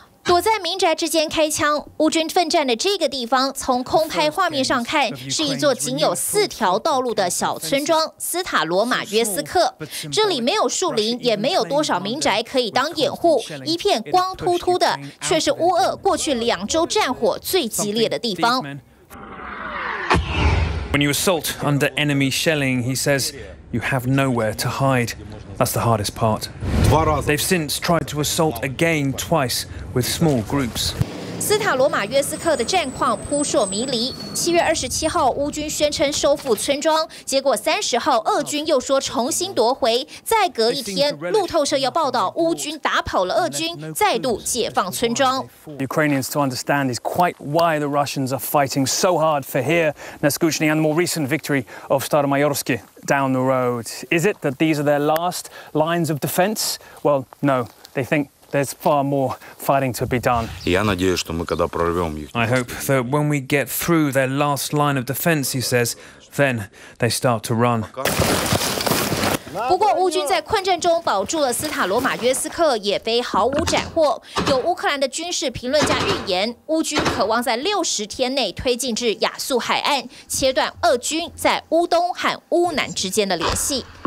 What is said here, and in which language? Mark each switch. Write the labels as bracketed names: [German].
[Chinese] 躲在民宅之间开枪，乌军奋战的这个地方，从空拍画面上看，是一座仅有四条道路的小村庄斯塔罗马约斯克。这里没有树林，也没有多少民宅可以当掩护，一片光秃秃的，却是乌俄过去两周战火最激烈的地方。 [English] When you assault under enemy shelling, he says, you have nowhere to hide. That's the hardest part. They've since tried to assault again twice with small groups. [Chinese] 斯塔罗马约斯克的战况扑朔迷离。7月27号，乌军宣称收复村庄，结果30号，俄军又说重新夺回。再隔一天，路透社又报道乌军打跑了俄军，再度解放村庄。 [English] Ukrainians to understand is quite why the Russians are fighting so hard for here, Naskuchny, and the more recent victory of Staromayorsky down the road. Is it that these are their last lines of defense? Well, no. They think. There's far more fighting to be done. I hope that when we get through their last line of defense, he says, then they start to run. [Chinese] 不过乌军在困战中保住了斯塔罗马约斯克，也非毫无斩获。有乌克兰的军事评论家预言，乌军渴望在60天内推进至亚速海岸，切断俄军在乌东和乌南之间的联系。